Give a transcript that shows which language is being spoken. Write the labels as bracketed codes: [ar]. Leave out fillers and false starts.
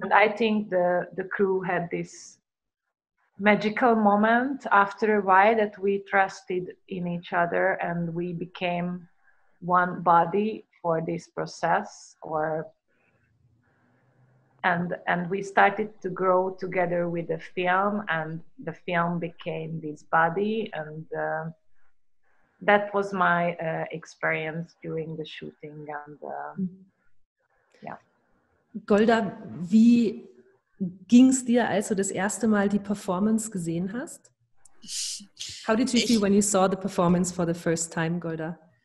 [en] And I think the crew had this magical moment after a while that we trusted in each other and we became one body for this process, or and we started to grow together with the film, and the film became this body. And that was my experience during the shooting. And [de] Golda, wie ging es dir, als du das erste Mal die Performance gesehen hast? [en] How did you feel when you saw the performance for the first time, Golda?